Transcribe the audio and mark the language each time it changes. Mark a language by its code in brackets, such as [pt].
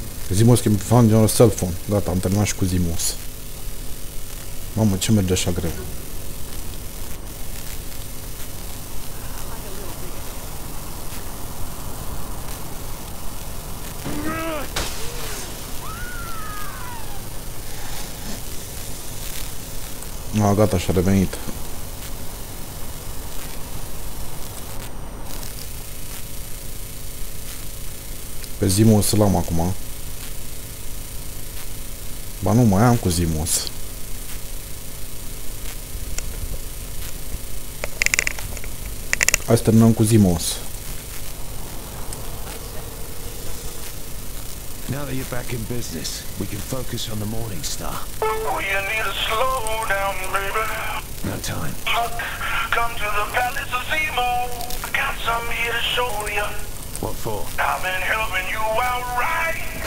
[en] Zimos can be found on a cell phone. [ro] Gata, am terminat și cu Zimos. Mamă, ce merge așa greu? A, gata, și-a revenit. Pe Zimus îl am acum. Ba nu, mai am cu Zimus. Hai să terminăm cu Zimus. [en] Now that you're back in business, we can focus on the Morning Star. Oh, you need to slow down, baby. No time. Look, come to the Palace of Zemo. I got something here to show you. What for? I've been helping you out, right?